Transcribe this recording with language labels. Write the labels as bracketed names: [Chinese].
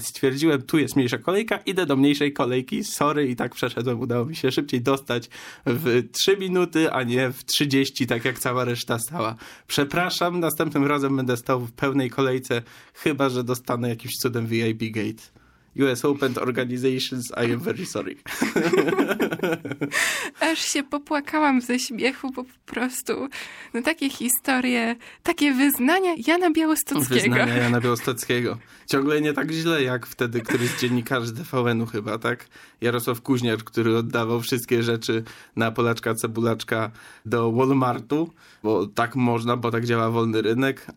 [Polish] Stwierdziłem, tu jest mniejsza kolejka, idę do mniejszej kolejki. Sorry. I tak przeszedłem. Udało mi się szybciej dostać w 3 minuty, a nie w 30, tak jak cała reszta stała. Przepraszam. Następnym razem będę stał w pełnej kolejce, chyba że dostanę jakimś cudem VIP gate. [English] US Open Organizations, I am very sorry. [Polish] Aż się popłakałam ze śmiechu, bo po prostu no takie historie, takie wyznania Jana Białostockiego. Wyznania Jana Białostockiego. Ciągle nie tak źle, jak wtedy któryś dziennikarz z TVN-u chyba, tak? Jarosław Kuźniar, który oddawał wszystkie rzeczy na Polaczka Cebulaczka do Walmartu, bo tak można, bo tak działa wolny rynek.